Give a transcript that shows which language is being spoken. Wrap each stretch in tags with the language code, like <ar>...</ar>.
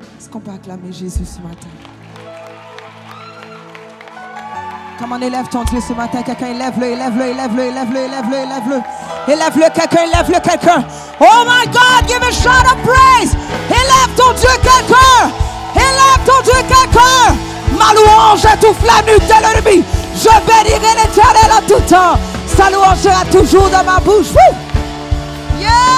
<fr>Qu'on peut acclamer Jésus ce matin. Comme on élève ton Dieu ce matin, quelqu'un élève-le, élève-le, élève-le, élève-le, élève-le, élève-le, élève-le, élève-le, quelqu'un, élève-le, quelqu'un.</fr> <en>Oh my God, give a shout of praise.</en> <fr>Élève ton Dieu, quelqu'un. Élève ton Dieu, quelqu'un. Ma louange étouffe la nuque de l'ennemi. Je bénirai l'Éternel en tout temps. Sa louange sera toujours dans ma bouche. Woo! Yeah!</fr>